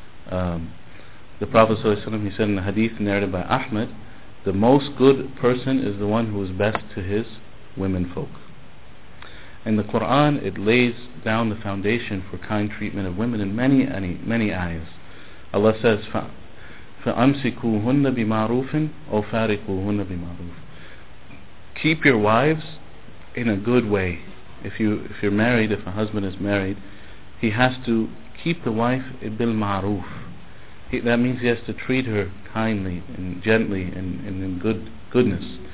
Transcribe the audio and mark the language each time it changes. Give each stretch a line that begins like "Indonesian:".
English: The Prophet sallallahu alaihi wasallam, he said in the hadith narrated by Ahmad, "The most good person is the one who is best to his womenfolk." In the Quran, it lays down the foundation for kind treatment of women in many ayahs. Allah says,
Arabic: فَأَمْسِكُوهُنَّ بِمَعْرُوفٍ أَوْ فَارِقُوهُنَّ بِمَعْرُوفٍ.
English: Keep your wives in a good way. If you're married, if a husband is married, he has to keep the wife بِالْمَعْرُوف. That means he has to treat her kindly and gently and in goodness.